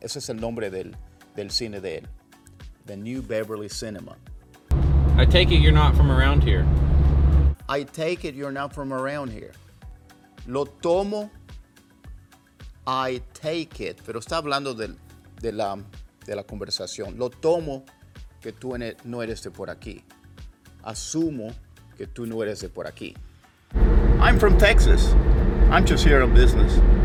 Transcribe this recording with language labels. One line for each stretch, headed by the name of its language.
Spanish: Ese es el nombre del cine de él.
English: The New Beverly Cinema. I take it you're not from around here. I take it you're not from around here.
Spanish: Lo tomo...
English: I take it,
Spanish: pero está hablando de la conversación. Lo tomo que tú no eres de por aquí. Asumo que tú no eres de por aquí.
English: I'm from Texas. I'm just here on business.